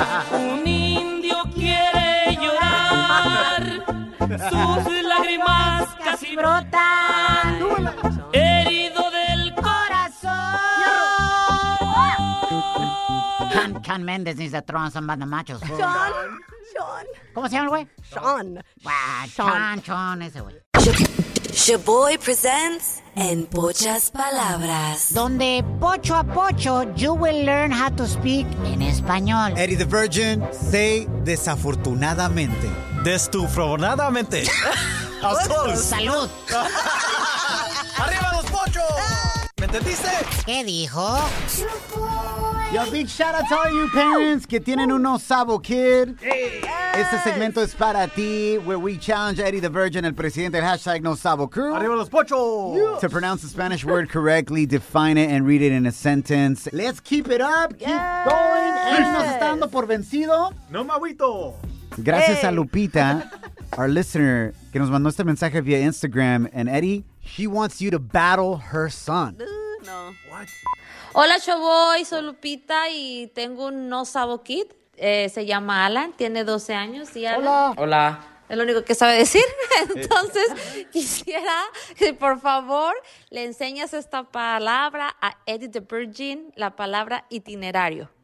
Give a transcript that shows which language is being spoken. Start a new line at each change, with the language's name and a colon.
Spanish: Un indio quiere llorar, sus lágrimas casi brotan, herido del corazón.
English: Shawn Mendes needs to throw on some of the machos. Shawn.
Spanish: ¿Cómo se llama el güey?
English: Shawn.
Spanish: Shawn, ese güey.
English: Shaboy presents En Pochas Palabras.
Spanish: Donde pocho a pocho,
English: you will learn how to speak
Spanish: en español.
English: Eddie the Virgin, say desafortunadamente.
Spanish: Destufronadamente. A sol. Salud. ¡Arriba los pochos! ¿Me entendiste? ¿Qué dijo?
English: Yo, big shout out to all you parents
Spanish: que tienen un
English: osavo kid. Hey.
Spanish: Este segmento es para ti,
English: where we challenge Eddie the Virgin,
Spanish: el presidente del hashtag nosavo crew. Arriba los pochos.
English: Yes. To pronounce the Spanish word correctly, define it, and read it in a sentence. Let's keep it up. Keep going.
Spanish: Él nos está dando por vencido. No me agüito. Gracias a Lupita,
English: our listener,
Spanish: que nos mandó este mensaje via Instagram.
English: And Eddie, she wants you to battle her son. No. What?
Spanish: Hola, Showboy, soy Lupita y tengo un no sabo kid. Se llama Alan, tiene 12 años. Y Alan, Hola. Es lo único que sabe decir. Entonces, quisiera que, por favor, le enseñes esta palabra a Eddie the Virgin, la palabra itinerario.